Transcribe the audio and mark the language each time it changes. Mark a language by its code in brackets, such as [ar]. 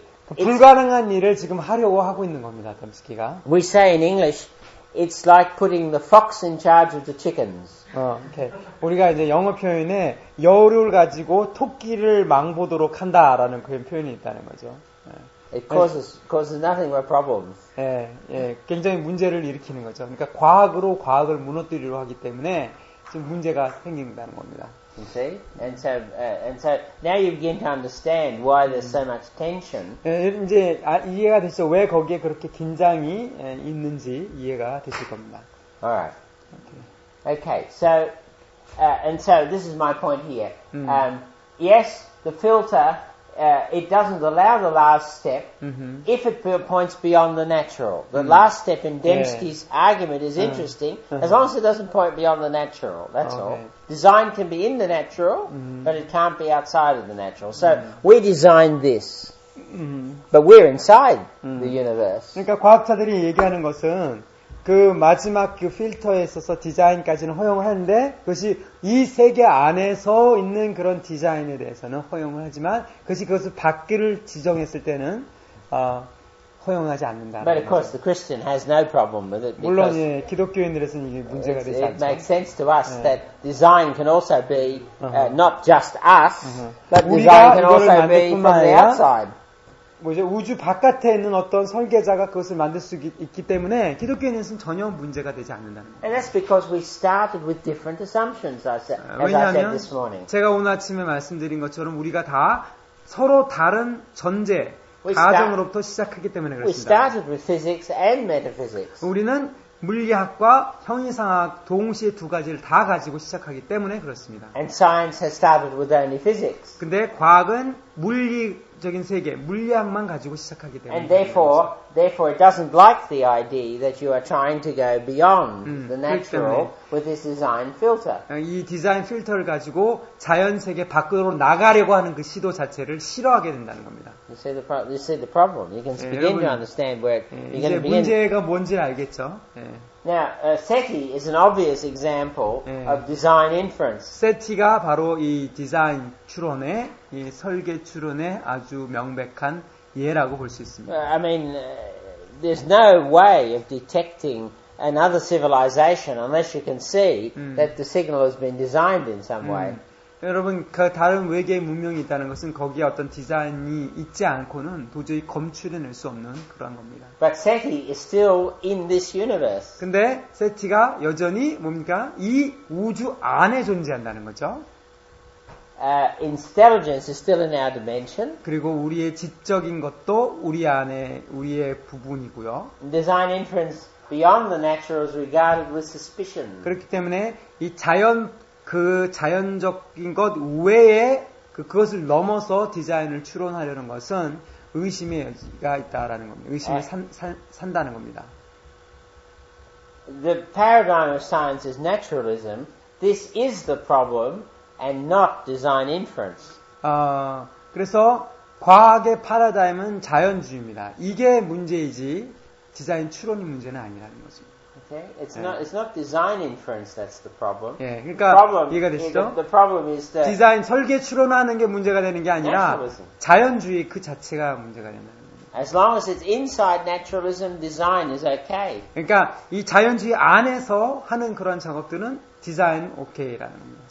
[ko] 불가능한 일을 지금 하려고 하고 있는 겁니다, 덤스키가. [en] We say in English, it's like putting the fox in charge of the chickens. [ko] 이렇게 우리가 이제 영어 표현에 여우를 가지고 토끼를 망보도록 한다라는 그런 표현이 있다는 거죠. [en] It causes nothing but problems. [ko] 굉장히 문제를 일으키는 거죠. 그러니까 과학으로 과학을 무너뜨리려 하기 때문에 지금 문제가 생긴다는 겁니다. [en] You see? And so now you begin to understand why there's so much tension. [ko] 이해가 되시죠? 왜 거기에 그렇게 긴장이 있는지 이해가 되실 겁니다. [en] Alright. Okay. So this is my point here. Yes, the filter. It doesn't allow the last step if it points beyond the natural. The last step in Dembski's argument is interesting as long as it doesn't point beyond the natural. That's all. Design can be in the natural, but it can't be outside of the natural. So we designed this, but we're inside the universe. [ko] 그러니까 과학자들이 얘기하는 것은 그 마지막 그 필터에 있어서 디자인까지는 허용하는데 그것이 이 세계 안에서 있는 그런 디자인에 대해서는 허용을 하지만 그것이 그것을 밖을 지정했을 때는 허용하지 않는다. [en] But of course, the Christian has no problem with it. [ko] 물론 예, 기독교인들에서는 이게 문제가 되지 않죠. [en] It makes sense to us that design can also be not just us, but design can also be from the outside. [ko] 뭐죠? 우주 바깥에 있는 어떤 설계자가 그것을 만들 수 있기 때문에 기독교인에서는 전혀 문제가 되지 않는다는 거예요. [en] And that's because we started with different assumptions, as I said this morning. [ko] 왜냐하면 제가 오늘 아침에 말씀드린 것처럼 우리가 다 서로 다른 전제, 가정으로부터 시작하기 때문에 그렇습니다. [en] We started with physics and metaphysics. [ko] 우리는 물리학과 형이상학 동시에 두 가지를 다 가지고 시작하기 때문에 그렇습니다. [en] And science has started with only physics. [ko] 근데 과학은 물리적인 세계, 물리학만 가지고 시작하기 때문에 [en] And therefore, [ko] 그렇습니다. [en] therefore it doesn't like the idea that you are trying to go beyond the natural with this design filter. [ko] 이 디자인 필터를 가지고 자연 세계 밖으로 나가려고 하는 그 시도 자체를 싫어하게 된다는 겁니다. [en] You see the problem. You can begin [ko] 여러분, [en] to understand where you're going to begin. [ko] 이제 문제가 뭔지 알겠죠? [en] Now, SETI is an obvious example of design inference. [ko] SETI가 바로 이 디자인 추론의 이 설계 추론의 아주 명백한 예라고 볼 수 있습니다. [en] I mean, there's no way of detecting another civilization unless you can see that the signal has been designed in some way. [ko] 여러분, 그 다른 외계의 문명이 있다는 것은 거기에 어떤 디자인이 있지 않고는 도저히 검출해낼 수 없는 그런 겁니다. [en] But SETI is still in this universe. [ko] 근데 SETI가 여전히 뭡니까? 이 우주 안에 존재한다는 거죠. [en] Intelligence is still in our dimension. [ko] 그리고 우리의 지적인 것도 우리 안에 우리의 부분이고요. [en] Design inference beyond the natural is regarded with suspicion. [ko] 그렇기 때문에 이 자연 그 자연적인 것 외에 그것을 넘어서 디자인을 추론하려는 것은 의심의 여지가 있다라는 겁니다. 의심을 산다는 겁니다. [en] The paradigm of science is naturalism. This is the problem and not design inference. [ko] 그래서 과학의 패러다임은 자연주의입니다. 이게 문제이지 디자인 추론이 문제는 아니라는 것입니다. [en] Okay. It's not design inference that's the problem. [ko] 예, 그러니까 [en] the problem, [ko] 이해가 되시죠? [en] The problem is that [ko] 디자인 설계 추론하는 게 문제가 되는 게 아니라 [en] naturalism. [ko] 자연주의 그 자체가 문제가 되는 겁니다. [en] As long as it's inside naturalism, design is okay. [ko] 그러니까 이 자연주의 안에서 하는 그런 작업들은 디자인 오케이라는 겁니다.